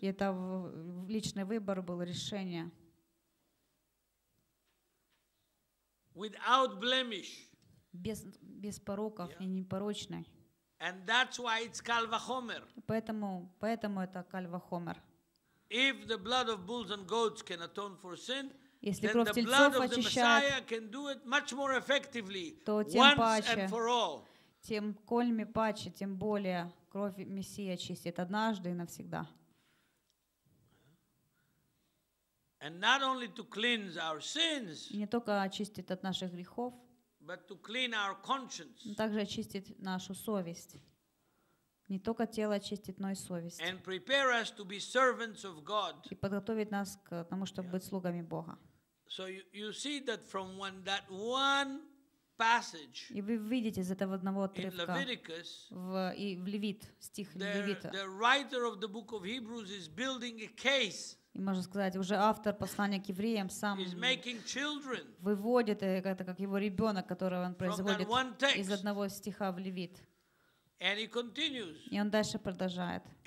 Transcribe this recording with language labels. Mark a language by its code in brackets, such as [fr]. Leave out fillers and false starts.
[ru] Это личный выбор был, решение. [en] Without blemish. [ru] Без пороков и непорочной. [en] And that's why it's Kal Vachomer. [ru] Поэтому это Kal Vachomer. [en] If the blood of bulls and goats can atone for sin, [ru] если [en] then the blood of the Messiah can do it much more effectively, once [ru] паче, [en] and for all. [ru] Тем кольми паче, тем более кровь Мессии очистит однажды и навсегда. [en] And not only to cleanse our sins, [ru] не только очистит от наших грехов, [en] but to clean our conscience. [ru] Также очистит нашу совесть. Не только тело очистит, но и совесть. [en] And prepare us to be servants of God. [ru] И подготовит нас к тому, чтобы быть слугами Бога. [en] So you see that from one, that one passage. [ru] И вы видите из этого одного отрывка. [en] In Leviticus. [ru] В Левит, стих Левита. [en] The writer of the book of Hebrews is building a case. [ru] И можно сказать, уже автор послания к евреям сам выводит это как его ребенок, которого он производит из одного стиха в Левит. И он дальше продолжает.